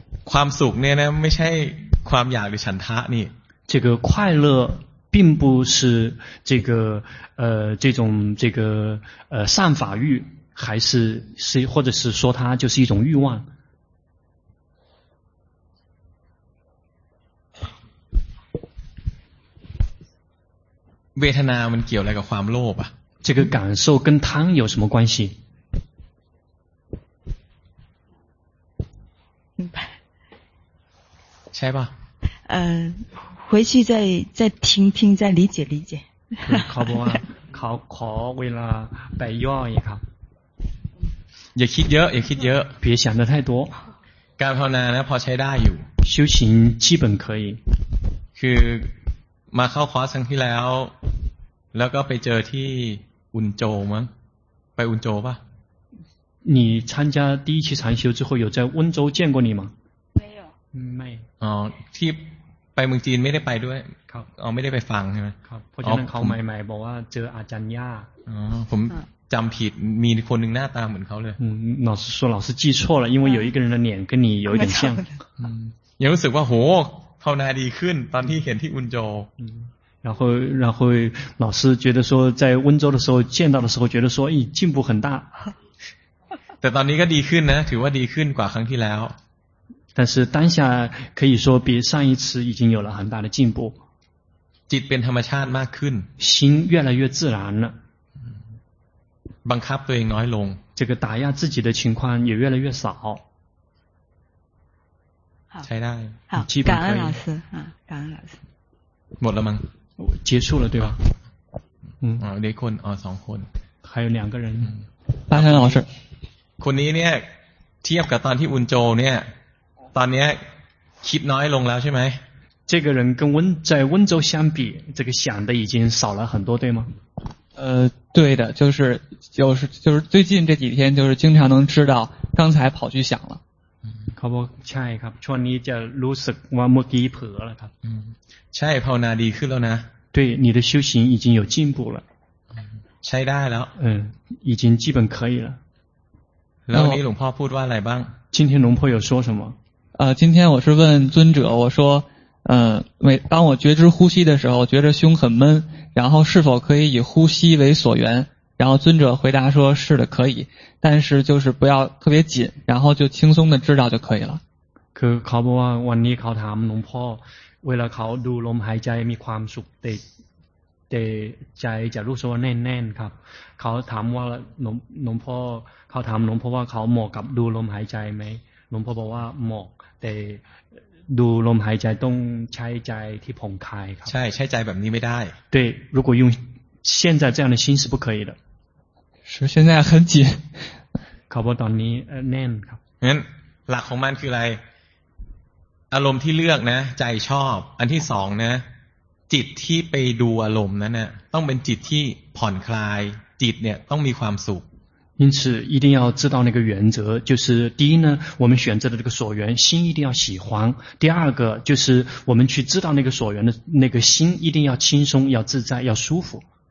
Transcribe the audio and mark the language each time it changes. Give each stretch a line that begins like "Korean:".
Thai: ความสุขเนี่ยนะไม่ใช่ความอยากหรือฉันทะนี่
Chinese: 这个快乐并不是这个这种这个善法欲还是是或者是说它就是一种欲望
Thai: เวทนามันเกี่ยวอะไรกับความโลภอ่ะ
Chinese: 这个感受跟贪有什么关系明白。
Thai: ใช่ป่ะ
Chinese: 回去再听听再理解
Thai: ขอบอกว่าขอเวลาไปย่ออีกครับ อย่าคิดเยอะอย่าคิดเยอะ
Chinese: 别想的太多
Thai: การภาวนานะพอใช้ได้อยู่
Chinese: 修行基本可以
Thai: คือมาเข้าคอร์สครั้งที่แล้วก็ไปเจอที่อุนโจมั้งไปอุนโจป่ะ
Chinese: 你参加第一期禅修之后，有在温州见过你吗？没有，没。
Thai: ที่ไปเมืองจีนไม่ได้ไปด้วย ครับ ไม่ได้ไปฟังใช่ไหม ครับเพราะฉะนั้นเขาใหม่ๆบอกว่าเจออาจารย์ย่า ผมจำผิดมีคนหนึ่งหน้าตาเหมือนเขาเลย
Chinese: 老师说老师记错了，因为有一个人的脸跟你有一点像。
Thai: ยังรู้สึกว่าโหภาวนาดีขึ้นตอนที่เห็นที่อุนโจ
Chinese: 然后老师觉得说在温州的时候见到的时候觉得说进步很大。
Thai: แต่ตอนนี้ก็ดีขึ้นนะถือว่าดีขึ้นกว่าครั้งที่แล้ว
Chinese: 但是当下可以说比上一次已经有了很大的进步
Thai: จิตเป็นธรรมชาติมากขึ้น
Chinese: 心越来越自然了
Thai: บังคับตัวเองน้อยลง
Chinese: 这个打压自己的情况也越来越少好
Thai: ใช้ได้
Chinese: 好感恩老师感恩老师
Thai: หมดแล้วมั้ง
Chinese: 结束了对吧
Thai: ได้คน2คน
Chinese: 还有2个人八山老师
Thai: คนนี้เนี่ยเทียบกับตอนที่อุนโจเนี่ยตอนนี้คิดน้อยลงแล้วใช่ไหม
Chinese: 这个人跟温在温州相比这个想的已经少了很多对吗对的就是最近这几天就是经常能知道刚才跑去想了
Thai: ครับใช่ครับช่วงนี้จะรู้สึกว่าเมื่อกี้เผลอแล้วครับ ใช่ภาวนาดีขึ้นแล้วนะ
Chinese: 对你的修行已经有进步了
Thai: ใช้ได้แล้ว
Chinese: 已经基本可以了
Thai: แล้วนี้หลวงพ่อพูดว่าอะไรบ้าง
Chinese: 今天龙婆有说什么今天我是问尊者我说每当我觉知呼吸的时候，觉着胸很闷，然后是否可以以呼吸为所缘？然后尊者回答说，是的，可以，但是就是不要特别紧，然后就轻松的知道就可以了。
Thai: คือเขาบอกว่าวันนี้เขาถามหลวงพ่อเวลาเขาดูลมหายใจมีความสุขแต่ใจจะรู้สึกว่าแน่นๆครับเขาถามว่าหลวงพ่อเขาถามหลวงพ่อว่าเขาเหมาะกับดูลมหายใจไหมหลวงพ่อบอกว่าเหมาะแต่ดูลมหายใจต้องใช้ใจที่ผ่องคลายครับ ใช่ใช้ใจแบบนี้ไม่ได้
Chinese: 对如果用现在这样的心是不可以的是现在很紧
Thai: เขาบอกตอนนี้แน่นครับ งั้นหลักของมันคืออะไรอารมณ์ที่เลือกนะใจชอบอันที่สองนะจิตที่ไปดูอารมณ์นั้นน่ะต้องเป็นจิตที่ผ่อนคลายจิตเนี่ยต้องมีความสุข
Chinese: 因此一定要知道那个原则就是第一呢我们选择的这个所缘心一定要喜欢第二个就是我们去知道那个所缘的那个心一定要轻松要自在要舒服